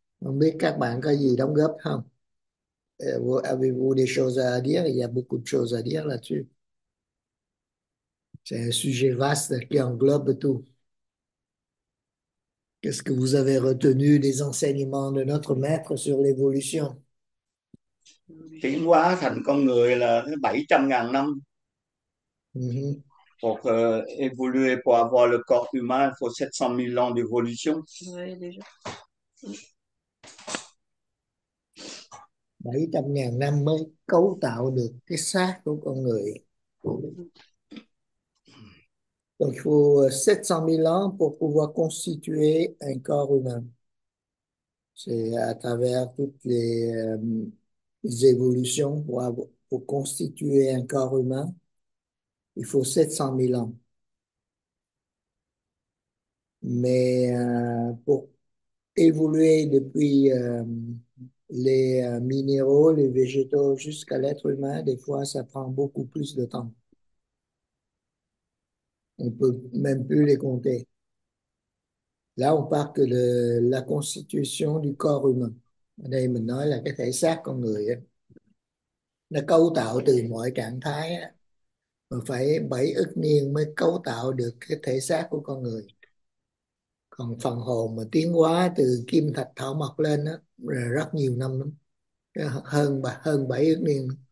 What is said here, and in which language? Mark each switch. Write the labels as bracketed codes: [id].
[vi] Không biết các bạn có gì đóng góp không? [fr] Avez-vous des choses à dire? Il y a beaucoup de choses à dire là-dessus. C'est un sujet vaste qui englobe tout. Qu'est-ce que vous avez retenu des enseignements de notre maître sur l'évolution? [vi] Tiến hóa thành con người là 700.000 năm. [fr] Pour évoluer, pour avoir le corps humain, il faut 700 000 ans d'évolution. Oui, déjà. [vi] 700.000 năm mới cấu tạo được cái xác của con người. [fr] Il faut 700 000 ans pour pouvoir constituer un corps humain. C'est à travers toutes les évolutions pour constituer un corps humain. Il faut 700 000 ans. Mais pour évoluer depuis les minéraux, les végétaux, jusqu'à l'être humain, des fois, ça prend beaucoup plus de temps. On ne peut même plus les compter. Là, on parle que de la constitution du corps humain. On est maintenant là [vi] cái thể xác con người. Nó cấu tạo từ mọi trạng thái. Mà phải 7 ức niên mới cấu tạo được cái thể xác của con người. Còn phần hồn mà tiến hóa từ kim thạch thảo mộc lên đó, rất nhiều năm lắm, hơn 7 ức niên.